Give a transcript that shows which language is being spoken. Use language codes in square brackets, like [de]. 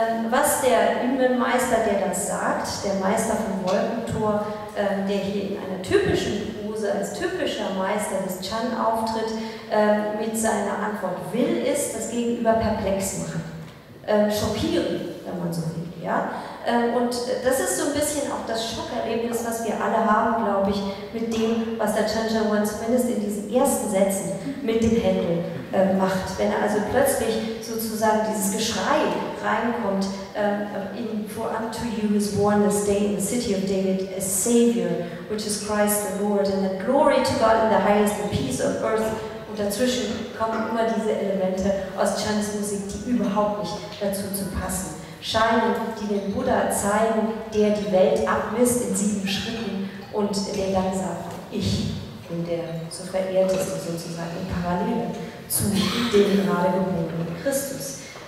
[de] Was der Inmen-Meister, der das sagt, der Meister vom Wolkentor, der hier in einer typischen Pose als typischer Meister des Chan auftritt, mit seiner Antwort will, ist das Gegenüber perplex machen, schockieren, wenn man so will. Ja? Und das ist so ein bisschen auch das Schockerlebnis, was wir alle haben, glaube ich, mit dem, was der Chan Chanwen zumindest in diesen ersten Sätzen mit dem Händel macht. Wenn er also plötzlich sozusagen dieses Geschrei reinkommt, [en] for unto you is born this day in the city of David a Savior, which is Christ the Lord, and then glory to God in the highest and peace of earth. [de] Und dazwischen kommen immer diese Elemente aus Chans Musik, die überhaupt nicht dazu zu passen scheinen, die den Buddha zeigen, der die Welt abmisst in sieben Schritten und der dann sagt, ich bin der so Verehrteste sozusagen in Parallele zu dem gerade geborenen Christus.